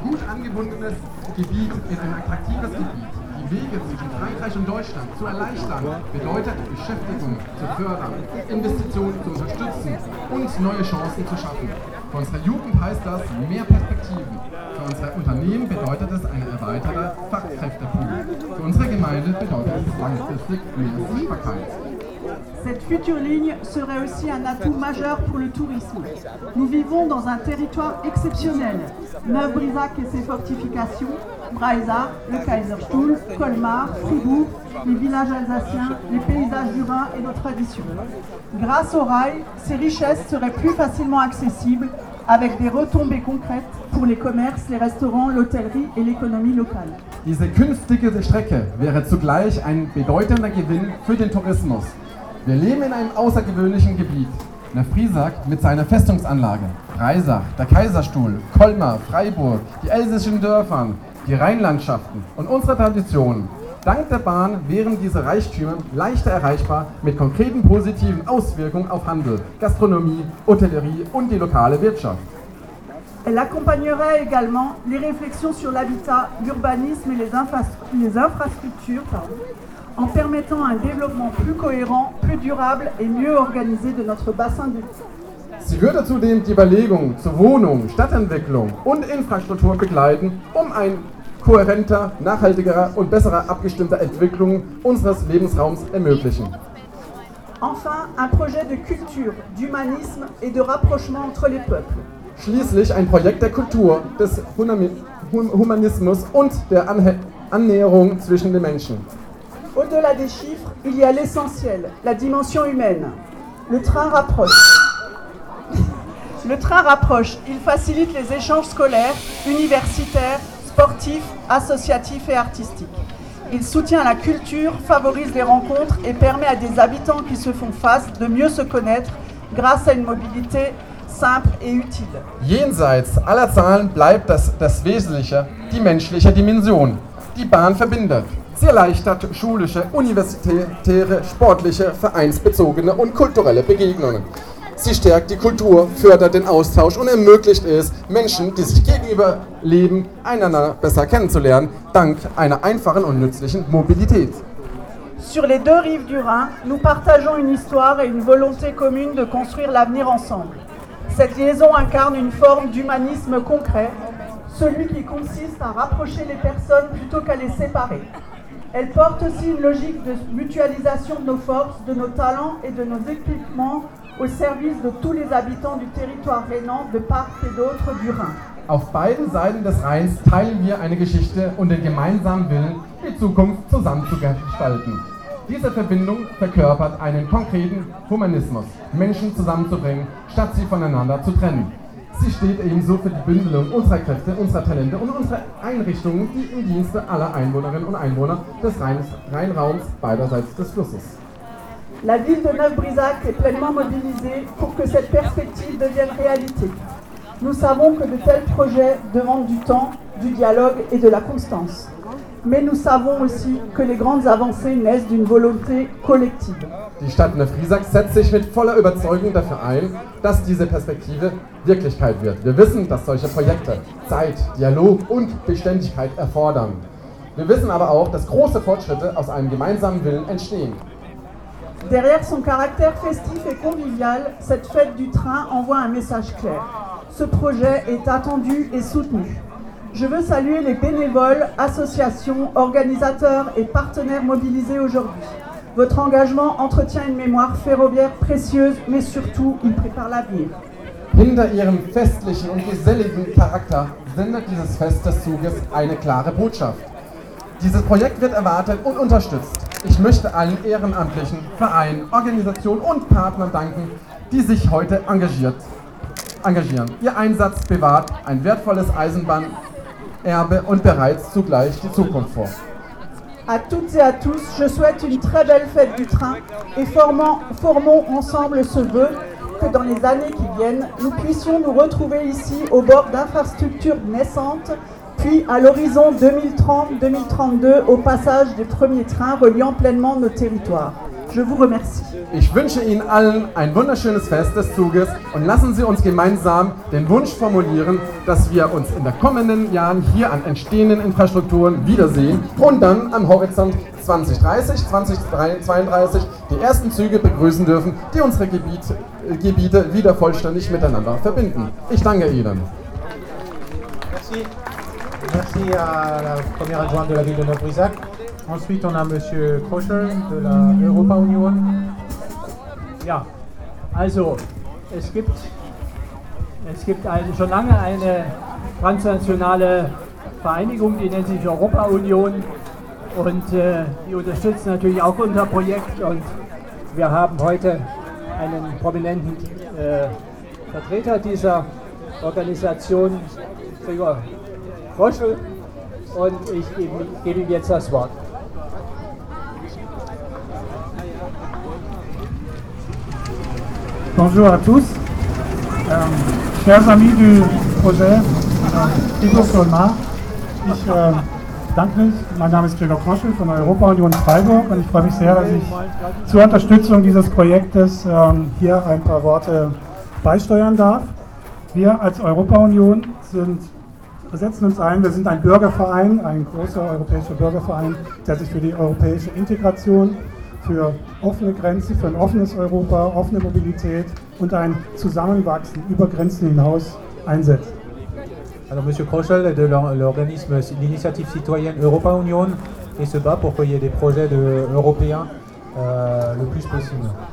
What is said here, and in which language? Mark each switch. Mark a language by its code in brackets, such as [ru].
[de] angebundenes Gebiet ist ein attraktives Gebiet. Die Wege zwischen Frankreich und Deutschland zu erleichtern, bedeutet Beschäftigung zu fördern, Investitionen zu unterstützen und neue Chancen zu schaffen. Für unsere Jugend heißt das mehr Perspektiven. Für unsere Unternehmen bedeutet es eine erweiterte Fachkräftepool. Für unsere Gemeinde bedeutet es langfristig mehr Sichtbarkeit. [fr] Cette future ligne serait aussi un atout majeur pour le tourisme. Nous vivons dans un territoire exceptionnel. Neuf-Brisach et ses fortifications, Breisach, le Kaiserstuhl, Colmar, Fribourg, les villages alsaciens, les paysages urbains et nos traditions. Grâce au rail, ces richesses seraient plus facilement accessibles avec des retombées concrètes pour les commerces, les restaurants, l'hôtellerie et l'économie locale. [de] Diese künftige Strecke wäre zugleich ein bedeutender Gewinn für den Tourismus. Wir leben in einem außergewöhnlichen Gebiet. Neuf-Brisach mit seiner Festungsanlage, Breisach, der Kaiserstuhl, Colmar, Freiburg, die elsässischen Dörfern, die Rheinlandschaften und unsere Traditionen. Dank der Bahn wären diese Reichtümer leichter erreichbar mit konkreten positiven Auswirkungen auf Handel, Gastronomie, Hotellerie und die lokale Wirtschaft. [fr] Elle accompagnerait également les réflexions sur l'habitat, l'urbanisme et les infrastructures, pardon, en permettant un développement plus cohérent, plus durable et mieux organisé de notre bassin de vie. [de] Sie würde zudem die Überlegungen zur Wohnung, Stadtentwicklung und Infrastruktur begleiten, um ein kohärenter, nachhaltigerer und besserer abgestimmter Entwicklung unseres Lebensraums ermöglichen. [fr] Enfin, un projet de culture, d'humanisme et de rapprochement entre les peuples. [de] Schließlich ein Projekt der Kultur, des Humanismus und der Annäherung zwischen den Menschen. [fr] Au-delà des chiffres, il y a l'essentiel, la dimension humaine. Le train rapproche. Le train rapproche, il facilite les échanges scolaires, universitaires, sportifs, associatifs et artistiques. Il soutient la culture, favorise les rencontres et permet à des habitants qui se font face de mieux se connaître grâce à une mobilité simple et utile. [de] Jenseits aller Zahlen bleibt das Wesentliche, die menschliche Dimension. Die Bahn verbindet. Sie erleichtert schulische, universitäre, sportliche, vereinsbezogene und kulturelle Begegnungen. Sie stärkt die Kultur, fördert den Austausch und ermöglicht es, Menschen, die sich gegenüber leben, einander besser kennenzulernen, dank einer einfachen und nützlichen Mobilität. [fr] Sur les deux rives du Rhin, nous partageons une histoire et une volonté commune de construire l'avenir ensemble. Cette liaison incarne une forme d'humanisme concret, celui qui consiste à rapprocher les personnes plutôt qu'à les séparer. Elle porte aussi une logique de mutualisation de nos forces, de nos talents et de nos équipements au service de tous les habitants du territoire rhénan, de part et d'autre du Rhin. [de] Auf beiden Seiten des Rheins teilen wir eine Geschichte und den gemeinsamen Willen, die Zukunft zusammen zu gestalten. Diese Verbindung verkörpert einen konkreten Humanismus, Menschen zusammenzubringen, statt sie voneinander zu trennen. Sie steht ebenso für die Bündelung unserer Kräfte, unserer Talente und unserer Einrichtungen, die im Dienste aller Einwohnerinnen und Einwohner des Rheinraums beiderseits des Flusses. [fr] La ville de Neuf-Brisach est pleinement mobilisée pour que cette perspective devienne réalité. Nous savons que de tels projets demandent du temps, du dialogue et de la constance. Mais nous savons aussi que les grandes avancées naissent d'une volonté collective. [de] Die Stadt Neuf-Brisach setzt sich mit voller Überzeugung dafür ein, dass diese Perspektive Wirklichkeit wird. Wir wissen, dass solche Projekte Zeit, Dialog und Beständigkeit erfordern. Wir wissen aber auch, dass große Fortschritte aus einem gemeinsamen Willen entstehen. [fr] Derrière son caractère festif et convivial, cette fête du train envoie un message clair. Ce projet est attendu et soutenu. Je veux saluer les bénévoles, associations, organisateurs et partenaires mobilisés aujourd'hui. Votre engagement entretient une mémoire ferroviaire précieuse, mais surtout, il prépare l'avenir. [de] Hinter ihrem festlichen und geselligen Charakter sendet dieses Fest des Zuges eine klare Botschaft. Dieses Projekt wird erwartet und unterstützt. Ich möchte allen Ehrenamtlichen, Vereinen, Organisationen und Partnern danken, die sich heute engagieren. Ihr Einsatz bewahrt ein wertvolles Eisenbahn. Erbe und bereits zugleich die Zukunft vor. [fr] À toutes et à tous, je souhaite une très belle fête du train et formons ensemble ce vœu que dans les années qui viennent, nous puissions nous retrouver ici au bord d'infrastructures naissantes, puis à l'horizon 2030-2032 au passage des premiers trains reliant pleinement nos territoires. Je vous remercie. [de] Ich wünsche Ihnen allen ein wunderschönes Fest des Zuges und lassen Sie uns gemeinsam den Wunsch formulieren, dass wir uns in den kommenden Jahren hier an entstehenden Infrastrukturen wiedersehen und dann am Horizont 2030, 2032 die ersten Züge begrüßen dürfen, die unsere Gebiete wieder vollständig miteinander verbinden. Ich danke Ihnen. [fr] Merci. Merci à la première adjointe de la ville de Neuf-Brisach. Ensuite, on a Monsieur Kroscher de la Europa Union. [de] Ja, also es gibt schon lange eine transnationale Vereinigung, die nennt sich Europa Union. Und die unterstützt natürlich auch unser Projekt. Und wir haben heute einen prominenten Vertreter dieser Organisation, Gregor Kroschel. Und ich gebe ihm jetzt das Wort. [fr] Bonjour à tous, chers amis du projet Tito Solmar. [de] Ich danke nicht. Mein Name ist Gregor Kroschel von der Europa Union Freiburg und ich freue mich sehr, dass ich zur Unterstützung dieses Projektes hier ein paar Worte beisteuern darf. Wir als Europa Union wir sind ein Bürgerverein, ein großer europäischer Bürgerverein, der sich für die europäische Integration, für offene Grenzen, für ein offenes Europa, offene Mobilität und ein Zusammenwachsen über Grenzen hinaus einsetzt. [fr] Alors Monsieur Kroschel est de l'organisme, l'initiative citoyenne Europa Union et se bat pour qu'il y ait des projets européens le plus possible.